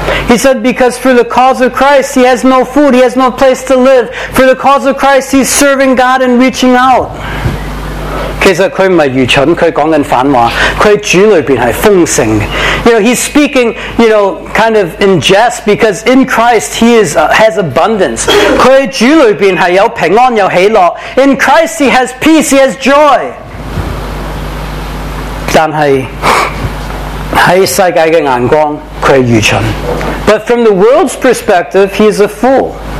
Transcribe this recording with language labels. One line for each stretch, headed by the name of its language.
English: He said, because for the cause of Christ, he has no food, he has no place to live. For the cause of Christ, he's serving God and reaching out.
Chinese: 其实他不是愚蠢，他在说反话。他在主里面是丰盛的。
English: You know, he's speaking, you know, kind of in jest, because in Christ he is has abundance.
Chinese: 他在主里面是有平安有喜乐。
English: In Christ he has peace, he has joy.
Chinese: 但是在世界的眼光，他是愚蠢。
English: But from the world's perspective, he is a fool.